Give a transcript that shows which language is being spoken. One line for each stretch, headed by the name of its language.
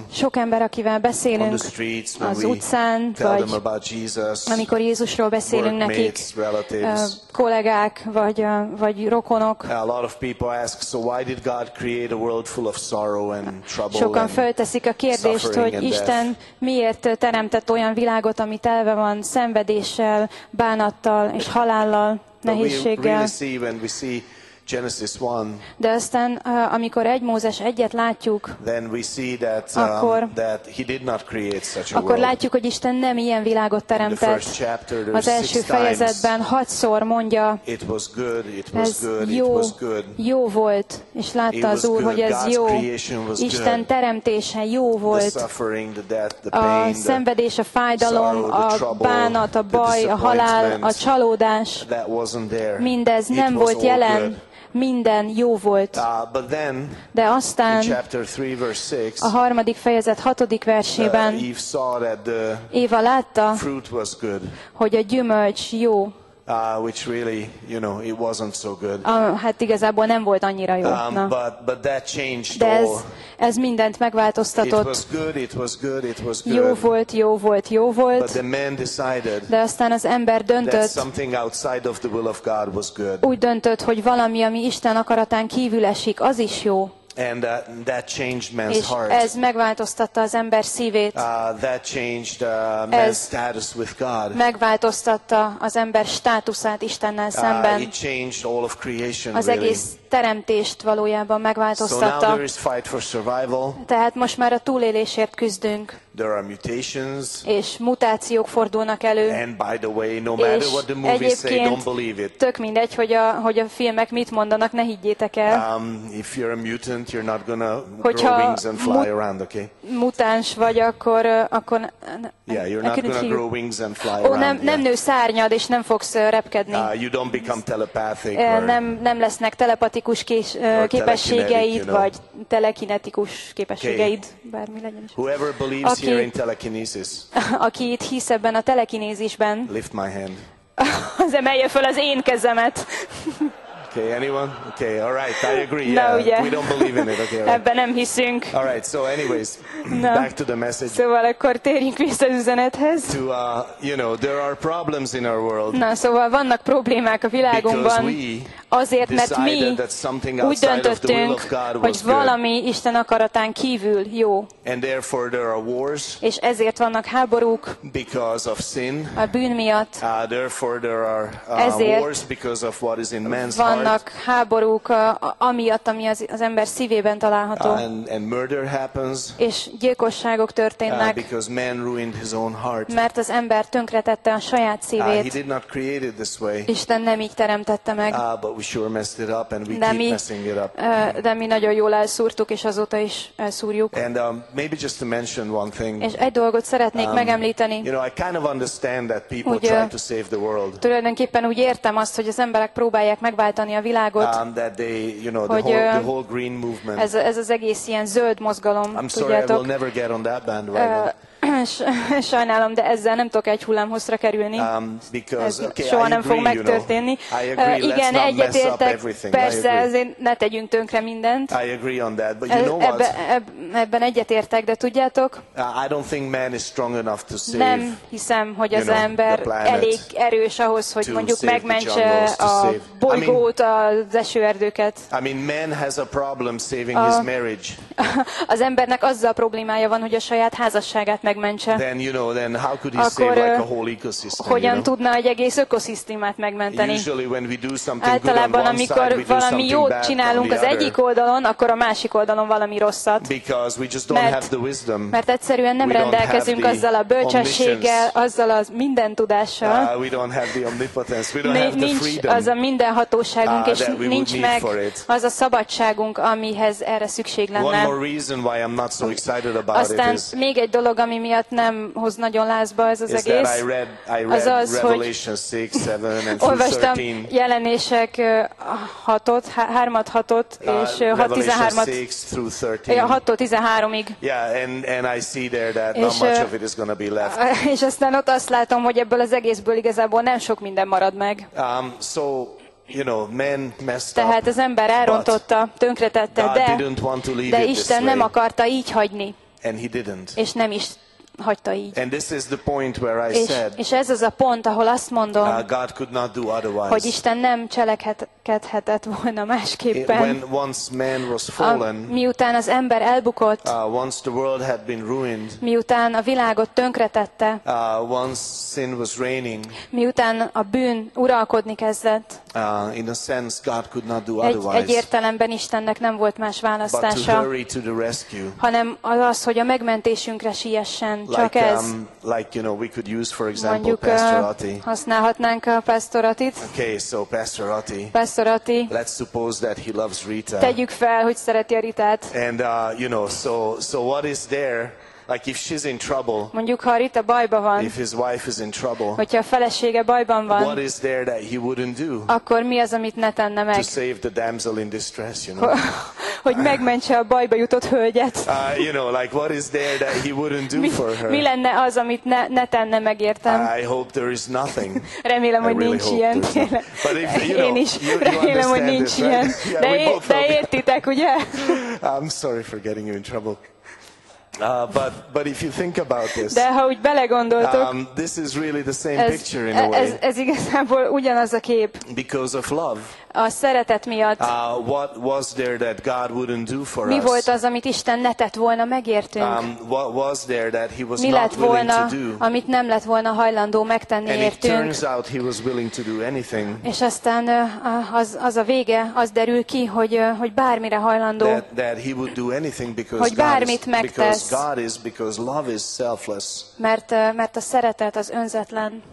Hungarian: Sok ember, akivel beszélünk,
English: on the streets,
Hungarian: az utcán, vagy amikor Jézusról beszélünk nekik, kollégák vagy rokonok.
English: A lot of people ask, so why did God create a world full of sorrow and trouble?
Hungarian: Sokan fölteszik a kérdést, hogy Isten miért teremtett olyan világot, ami telve van szenvedéssel, bánattal és halállal, nehézséggel.
English: Genesis 1.
Hungarian: De aztán, amikor egy Mózes egyet látjuk,
English: then we see that that he did not create such a world.
Hungarian: Akkor látjuk, hogy Isten nem ilyen világot teremtett.
English: The first chapter,
Hungarian: az első fejezetben hatszor mondja,
English: it was good, it was good, it was good.
Hungarian: Jó volt, és látta az Úr, hogy ez jó. Isten teremtése jó volt.
English: The suffering, the death, the pain,
Hungarian: a szenvedés, a fájdalom, a bánat, a baj, a halál, a csalódás.
English: That wasn't there.
Hungarian: Mindez nem volt jelen. Minden jó volt.
English: But then,
Hungarian: de aztán
English: in chapter 3, verse 6,
Hungarian: a harmadik fejezet hatodik versében Éva látta,
English: fruit was good,
Hungarian: hogy a gyümölcs jó.
English: Which really, you know, it wasn't so good.
Hungarian: Hát igazából nem volt annyira jó.
English: But that changed.
Hungarian: De ez mindent megváltoztatott.
English: It was good, it was good, it was good.
Hungarian: Jó volt, jó volt, jó volt.
English: But the man decided.
Hungarian: De aztán az ember döntött.
English: That something outside of the will of God was good.
Hungarian: Úgy döntött, hogy valami, ami Isten akaratán kívül esik, az is jó.
English: And that changed man's
Hungarian: és
English: heart.
Hungarian: Ez megváltoztatta az ember szívét.
English: That changed man's status with God.
Hungarian: Megváltoztatta az ember státuszát Istennel szemben.
English: It changed all of creation.
Hungarian: Az egész teremtést valójában megváltoztatta.
English: So now there is fight for survival.
Hungarian: Tehát most már a túlélésért küzdünk.
English: There are mutations.
Hungarian: És mutációk fordulnak elő.
English: And by the way, no matter what the movies say, don't believe it.
Hungarian: Tök mindegy, hogy a filmek mit mondanak, ne higgyétek el.
English: If you're a mutant, you're not gonna grow wings and fly around, okay?
Hungarian: Mutáns vagy, akkor
English: yeah, you're not gonna grow wings and fly around.
Hungarian: Nem nő szárnyad, és nem fogsz repkedni.
English: You don't become telepathic.
Hungarian: Nem lesznek telepatikus képességeid, vagy telekinetikus képességeid, bármi legyen is.
English: Whoever believes here in telekinesis.
Hungarian: Aki itt hisz ebben a telekinézisben.
English: Lift my hand.
Hungarian: Az emelje föl az én kezemet.
English: Okay, anyone? Okay, all right, I agree.
Hungarian: Na, ugye.
English: We don't believe in it. Okay,
Hungarian: right. Ebben nem hiszünk.
English: All right, so anyways, back to the message.
Hungarian: Szóval akkor térjünk vissza az üzenethez.
English: There are problems in our world.
Hungarian: Na, szóval vannak problémák a világunkban. Azért, mert mi úgy döntöttünk, hogy valami Isten akaratán kívül jó.
English: And therefore there are wars.
Hungarian: És ezért vannak háborúk.
English: Because of sin.
Hungarian: A bűn miatt.
English: Therefore there are wars because of what is in man's
Hungarian: Vannak háborúk amiatt, ami az ember szívében található.
English: And murder happens.
Hungarian: És gyilkosságok történnek.
English: Because man ruined his own heart.
Hungarian: Mert az ember tönkretette a saját szívét.
English: He did not create it this way.
Hungarian: Isten nem így teremtette meg.
English: But we we sure messed it up and we keep messing it up.
Hungarian: De mi nagyon jól elszúrtuk, és azóta is elszúrjuk.
English: And maybe just to mention one thing.
Hungarian: És egy dolgot szeretnék megemlíteni.
English: You know, I kind of understand that people try to save the world.
Hungarian: Tulajdonképpen úgy értem azt, hogy az emberek próbálják megváltani a világot.
English: That they, you know, the whole green movement.
Hungarian: Ez az egész ilyen zöld mozgalom, tudjátok.
English: I'm sorry, I will never get on that bandwagon.
Hungarian: Sajnálom, de ezzel nem tudok egy hullámhosszra kerülni. Soha nem fog megtörténni. Igen, egyetértek, persze, ezért ne tegyünk tönkre mindent.
English: I agree on that, but you know what?
Hungarian: Ebben egyetértek, de tudjátok?
English: I don't think man is strong enough to save.
Hungarian: Nem hiszem, hogy az ember elég erős ahhoz, hogy mondjuk megmentse a bolygót, az esőerdőket.
English: I mean, man has a problem saving his marriage.
Hungarian: Az embernek azzal problémája van, hogy a saját házasságát megmentse.
English: Then you know, then how could he akkor save like a whole ecosystem?
Hungarian: Hogyan
English: you know?
Hungarian: Tudna egy egész ökoszisztémát megmenteni?
English: Usually when we do something
Hungarian: általában
English: good on
Hungarian: amikor
English: one side,
Hungarian: valami
English: we do something
Hungarian: jót csinálunk az
English: other.
Hungarian: Egyik oldalon, akkor a másik oldalon valami rosszat.
English: Because we just don't have the wisdom.
Hungarian: Mert egyszerűen nem rendelkezünk azzal a bölcsességgel, azzal az mindentudással.
English: We don't have the omnipotence. We don't have the freedom.
Hungarian: Nincs az a mindenhatóságunk és nincs meg az a szabadságunk, amihez erre szükség lenne.
English: One more reason why I'm not so excited about
Hungarian: aztán
English: it is.
Hungarian: Aztán még egy dolog, ami miatt nem hoz nagyon lázba ez az egész.
English: I read Revelation 6, 7 and 13.
Hungarian: Olvastam jelenések 6-ot, 3-at, 6-ot és 6-13-at.
English: Yeah, and I see there that not much of it is going to be left.
Hungarian: És aztán ott azt látom, hogy ebből az egészből igazából nem sok minden marad meg.
English: You know, men messed up.
Hungarian: Tehát az ember elrontotta, tönkretette, de Isten nem akarta így hagyni.
English: And he didn't.
Hungarian: És nem is hagyta így.
English: And this is the point where I said.
Hungarian: És ez az a pont, ahol azt mondom.
English: God could not do otherwise.
Hungarian: Hogy Isten nem cselekedhetett volna másképpen.
English: When once man was fallen.
Hungarian: Miután az ember elbukott.
English: Once the world had been ruined.
Hungarian: Miután a világot tönkretette.
English: Once sin was reigning.
Hungarian: Miután a bűn uralkodni kezdett.
English: In a sense, God could not do otherwise.
Hungarian: Egy értelemben Istennek nem volt más választása.
English: But to hurry to the rescue.
Hungarian: Hanem az, hogy a megmentésünkre siessen.
English: Like,
Hungarian: ez.
English: Like you know, we could use, for example,
Hungarian: mondjuk,
English: Pastor Ati.
Hungarian: Használhatnánk a Pastor Atit.
English: Okay, so Pastor Ati.
Hungarian: Pastor Ati.
English: Let's suppose that he loves Rita.
Hungarian: Tegyük fel, hogy szereti a Ritát.
English: And you know, so what is there? Like if she's in trouble.
Hungarian: Mondjuk ha Rita bajban van.
English: If his wife is in trouble.
Hungarian: Hogyha a felesége bajban van.
English: What is there that he wouldn't do?
Hungarian: Akkor mi az, amit ne tenne meg?
English: To save the damsel in distress, you know.
Hungarian: Hogy megmentse a bajba jutott hölgyet.
English: You know, like what is there that he wouldn't do for her?
Hungarian: Mi lenne az, amit ne tenne meg, értem?
English: I hope there is nothing.
Hungarian: Remélem, hogy nincs ilyen. Én is remélem, hogy nincs ilyen. De értitek, ugye?
English: I'm sorry for getting you in trouble. But if you think about this.
Hungarian: De ha úgy belegondoltok.
English: This is really the same picture in a way.
Hungarian: Ez igazából ugyanaz a kép.
English: Because of love.
Hungarian: A szeretet miatt.
English: What was there that God wouldn't do for
Hungarian: mi
English: us?
Hungarian: Mi volt az, amit Isten ne tett volna megértünk?
English: What was there that he was
Hungarian: mi
English: not
Hungarian: lett volna,
English: willing to do?
Hungarian: Amit nem lett volna hajlandó megtenni
English: and
Hungarian: értünk.
English: And it turns out he was willing to do anything.
Hungarian: És aztán az a vége, az derül ki, hogy bármire hajlandó.
English: That he would do anything because
Hungarian: hogy bármit megtesz.
English: Because God is, because love is selfless.
Hungarian: Mert a szeretet az önzetlen.